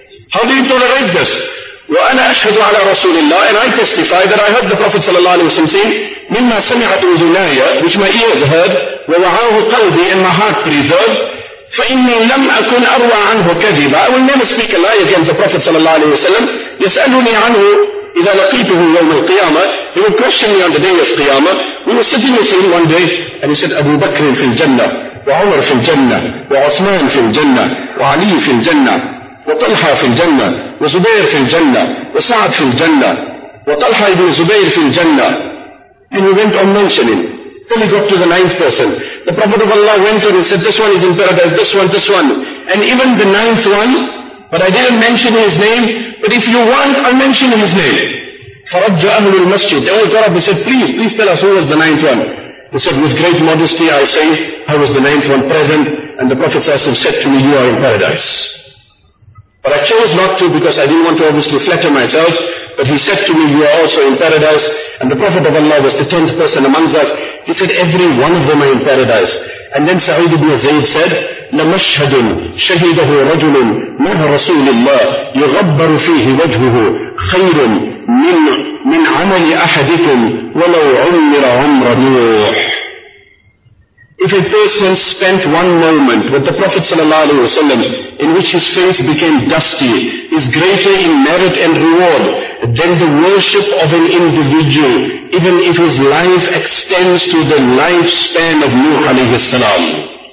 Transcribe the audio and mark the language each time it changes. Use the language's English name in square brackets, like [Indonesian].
[English] How do you tolerate this? [Arabic] وَأَنَا أَشْهَدُ عَلَىٰ رَسُولِ اللَّهِ, [English] and I testify that I heard the Prophet sallallahu alayhi wa sallam saying, [Arabic] مِمَّا سَمِعَتْ أُذُنَايَ, [English] which my ears heard, [Arabic] وَوَعَاهُ قَلْبِي, [English] and my heart preserved, [Arabic] فَإِنِّي لَمْ أَكُنْ أَرْوَىٰ عَنْهُ كَذِبًا, [English] I will never speak a lie against the Prophet sallallahu alayhi wa sallam. [Arabic] يَسْأَلُنِي عَنْهُ إِذَا لَقِيتُهُ يَوْمَ الْقِيَامَةِ, [English] he will question me on the day of Qiyamah. We were sitting with him one day, and he said, Abu Bakr in the Jannah, [Arabic] وعمر في الجنة, وعثمان في الجنة, وعلي في الجنة, وطلحة في الجنة, وزبير في الجنة, وسعد في الجنة, وطلحة ابن زبير في الجنة. [English] And he went on mentioning, till he got to the ninth person. The Prophet of Allah went on and said, this one is in paradise, this one, this one. And even the ninth one, but I didn't mention his name, but if you want, I'll mention his name. [Arabic] فرجع أهل المسجد. [English] They all got up and said, please, please tell us who was the ninth one. He said, with great modesty, I say, I was the ninth one present, and the Prophet said to me, you are in paradise. But I chose not to because I didn't want to obviously flatter myself, but he said to me, you are also in paradise. And the Prophet of Allah was the tenth person amongst us. He said, every one of them are in paradise. And then Sa'id ibn Zayd said, [Arabic] لَمَشْهَدٌ شَهِدَهُ رَجُلٌ مَهَ رَسُولِ اللَّهِ يُغَبَّرُ فِيهِ وَجْهُهُ خَيْرٌ مِنْ عَمَلِ أَحَدِكُمْ وَلَوْ عُمِّرَ عُمْرَ نُوحٍ. [English] If a person spent one moment with the Prophet sallallahu alaihi wasallam, in which his face became dusty, is greater in merit and reward than the worship of an individual, even if his life extends to the lifespan of Nuh alaihi salam.